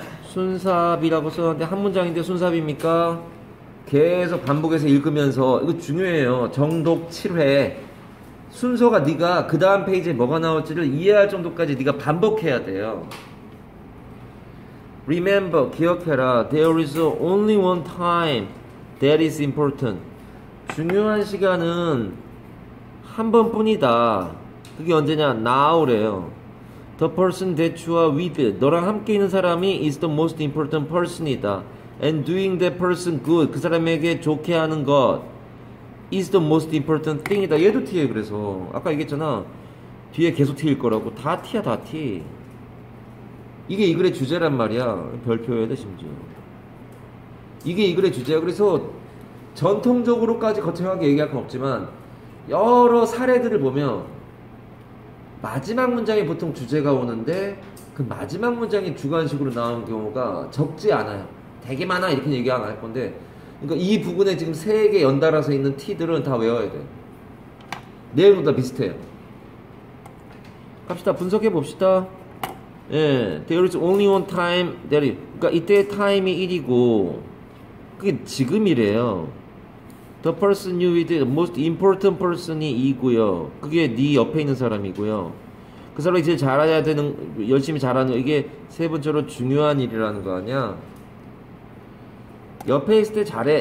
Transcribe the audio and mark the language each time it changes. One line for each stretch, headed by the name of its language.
Korean: 순삽이라고 써놨는데 한 문장인데 순삽입니까? 계속 반복해서 읽으면서 이거 중요해요. 정독 7회 순서가 네가 그 다음 페이지에 뭐가 나올지를 이해할 정도까지 네가 반복해야 돼요. Remember, 기억해라.
English: There is only one time that is important.
Korean: 중요한 시간은 한 번뿐이다. 그게 언제냐? Now래요.
English: The person that you are with,
Korean: 너랑 함께 있는 사람이
English: is the most important person
Korean: 이다.
English: And doing that person good,
Korean: 그 사람에게 좋게 하는 것
English: is the most important thing이다.
Korean: 얘도 T예요. 그래서 아까 얘기했잖아. 뒤에 계속 T일 거라고. 다 T야, 다 T. 이게 이 글의 주제란 말이야. 별표여야 돼, 심지어. 이게 이 글의 주제야. 그래서 전통적으로까지 거창하게 얘기할 건 없지만 여러 사례들을 보면 마지막 문장이 보통 주제가 오는데 그 마지막 문장이 주관식으로 나온 경우가 적지 않아요. 되게 많아 이렇게 얘기 안 할 건데, 그러니까 이 부분에 지금 세 개 연달아서 있는 T들은 다 외워야 돼. 내용도 다 비슷해요. 갑시다. 분석해 봅시다.
English: 예, There is only one time there is.
Korean: 그러니까 이때 타임이 1이고 그게 지금이래요.
English: The person you with, the most important person이 2고요.
Korean: 그게 네 옆에 있는 사람이고요. 그 사람이 제일 잘해야 되는, 열심히 잘하는, 이게 세 번째로 중요한 일이라는 거 아니야? 옆에 있을 때 잘해.